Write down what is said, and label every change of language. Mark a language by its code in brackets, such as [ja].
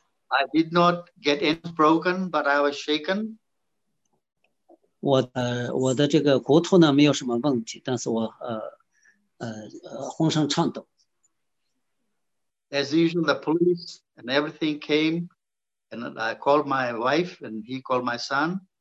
[en] I did not get any broken, but I was shaken. [zh] 我的这个骨头呢没有什么问题，但是我浑身颤抖。 [en] As usual, the police and everything came, and I called my wife, and he called my son.